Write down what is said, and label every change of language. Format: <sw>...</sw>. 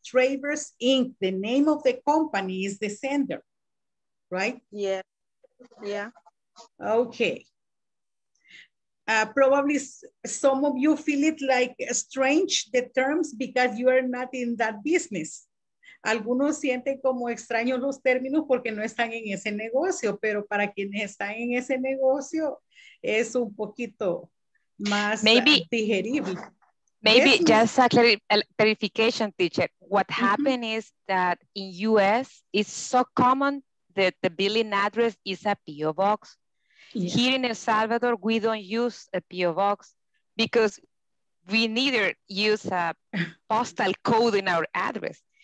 <en>Traverse Inc., the name of the company, is the sender, right? Yeah. Okay. Probably some of you feel it like strange, the terms, because you are not in that business.</en> <es>Algunos sienten como extraños los términos porque no están en ese negocio, pero para quienes están en ese negocio es un poquito más digerible.</es> <en>Maybe just a clarification, teacher. What happened is that in US, it's so common that the billing address is a P.O. box. Yeah. Here in El Salvador, we don't use a P.O. box because we neither use a postal code in our address.</en>